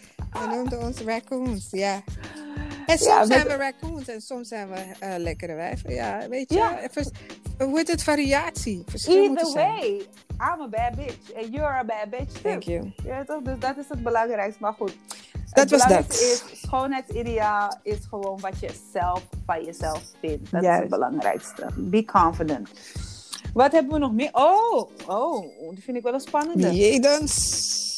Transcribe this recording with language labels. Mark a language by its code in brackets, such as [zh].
[nl] Hij noemde ons raccoons. Ja. Yeah. En soms zijn we raccoons en soms zijn we lekkere wijven. Ja, weet je. Hoe heet het? Variatie. [en] Either way, I'm a bad bitch. And you're a bad bitch too. Thank you. [nl] Ja, toch? Dus dat is het belangrijkste. Maar goed. Dat was dat. Schoonheidsideaal is gewoon wat je zelf van jezelf vindt. Dat is het belangrijkste. [en] Be confident. [nl] Wat hebben we nog meer? Oh, die vind ik wel een spannende. Jedens.